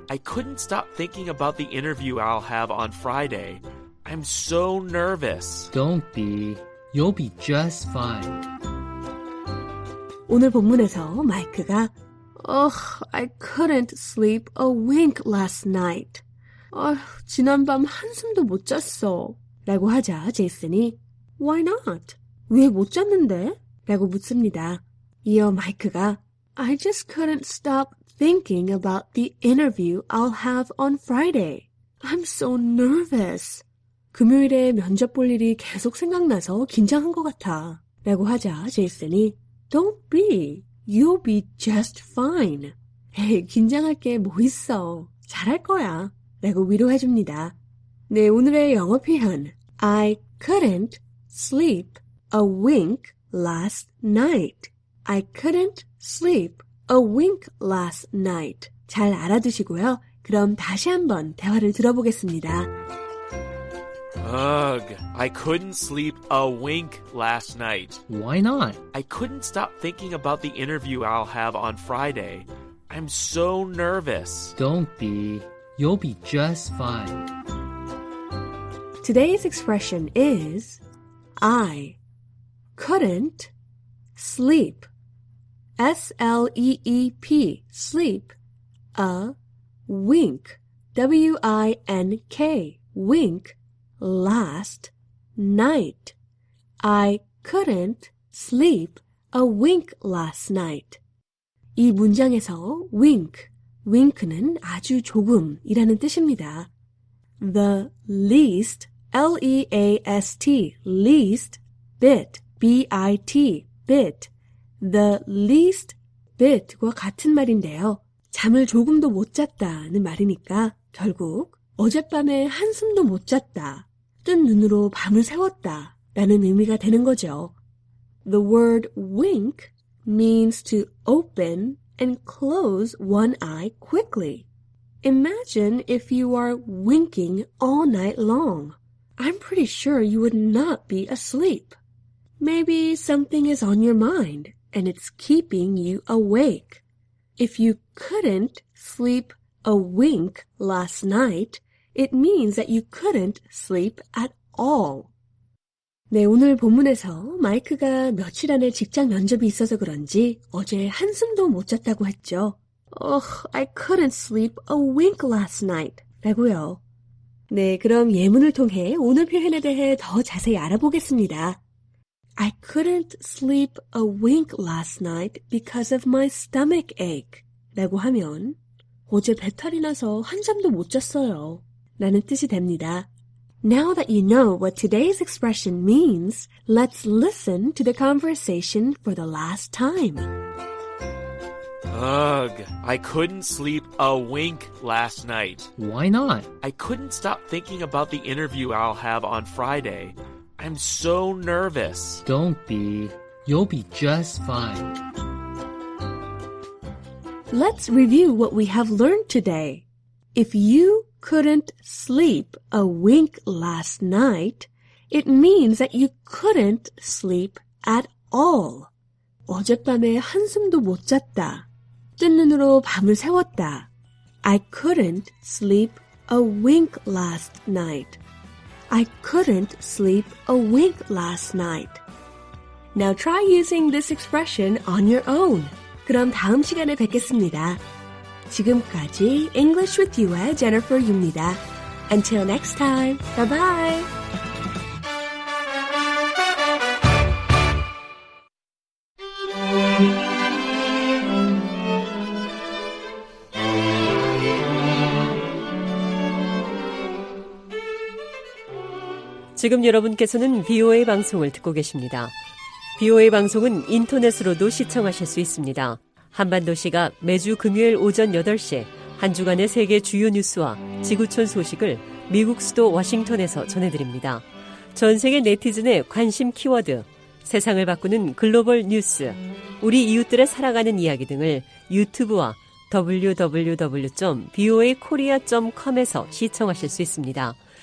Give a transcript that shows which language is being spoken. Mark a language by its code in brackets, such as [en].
[en] I couldn't stop thinking about the interview I'll have on Friday. I'm so nervous. Don't be. You'll be just fine. [ko] 오늘 본문에서 마이크가 [en] Ugh, I couldn't sleep a wink last night. [ko] 지난밤 한숨도 못 잤어. 라고 하자 제이슨이 [en] Why not? [ko] 왜 못 잤는데? 라고 묻습니다. 이어 마이크가 [en] I just couldn't stop thinking about the interview I'll have on Friday. I'm so nervous. [ko] 금요일에 면접 볼 일이 계속 생각나서 긴장한 것 같아. 라고 하자 제이슨이 [en] Don't be. You'll be just fine. [ko] 긴장할 게 뭐 있어. 잘할 거야. 라고 위로해줍니다. 네, 오늘의 영어 표현. [en] I couldn't sleep a wink last night. I couldn't sleep a wink last night. [ko] 잘 알아두시고요. 그럼 다시 한번 대화를 들어보겠습니다. [en] Ugh, I couldn't sleep a wink last night. Why not? I couldn't stop thinking about the interview I'll have on Friday. I'm so nervous. Don't be. You'll be just fine. Today's expression is I couldn't sleep. S-L-E-E-P. Sleep. A wink. W-I-N-K. Wink. Last night, I couldn't sleep a wink last night. [ko] 이 문장에서 wink, wink는 아주 조금이라는 뜻입니다. [en] The least, L-E-A-S-T, least bit, B-I-T, bit. [ko] The least bit과 같은 말인데요. 잠을 조금도 못 잤다는 말이니까 결국 어젯밤에 한숨도 못 잤다. 뜬 눈으로 밤을 새웠다 라는 의미가 되는 거죠. [en] The word wink means to open and close one eye quickly. Imagine if you are winking all night long. I'm pretty sure you would not be asleep. Maybe something is on your mind and it's keeping you awake. If you couldn't sleep a wink last night, It means that you couldn't sleep at all. [ko] 네, 오늘 본문에서 마이크가 며칠 안에 직장 면접이 있어서 그런지 어제 한숨도 못 잤다고 했죠. [en] Ugh, I couldn't sleep a wink last night. [ko] 라고요. 네, 그럼 예문을 통해 오늘 표현에 대해 더 자세히 알아보겠습니다. [en] I couldn't sleep a wink last night because of my stomach ache. [ko] 라고 하면 어제 배탈이 나서 한잠도 못 잤어요. 라는 뜻이 됩니다. [en] Now that you know what today's expression means, let's listen to the conversation for the last time. Ugh, I couldn't sleep a wink last night. Why not? I couldn't stop thinking about the interview I'll have on Friday. I'm so nervous. Don't be. You'll be just fine. Let's review what we have learned today. If you couldn't sleep a wink last night, it means that you couldn't sleep at all. [ko] 어젯밤에 한숨도 못 잤다. 뜬 눈으로 밤을 새웠다. [en] I couldn't sleep a wink last night. I couldn't sleep a wink last night. Now try using this expression on your own. [ko] 그럼 다음 시간에 뵙겠습니다. 지금까지 English with You의 Jennifer입니다. [en] Until next time, bye-bye! Now you are listening to VOA [ko] 방송을 듣고 계십니다. VOA 방송은 인터넷으로도 시청하실 수 있습니다. 한반도시가 매주 금요일 오전 8시 한 주간의 세계 주요 뉴스와 지구촌 소식을 미국 수도 워싱턴에서 전해드립니다. 전 세계 네티즌의 관심 키워드, 세상을 바꾸는 글로벌 뉴스, 우리 이웃들의 살아가는 이야기 등을 유튜브와 www.voakorea.com에서 시청하실 수 있습니다.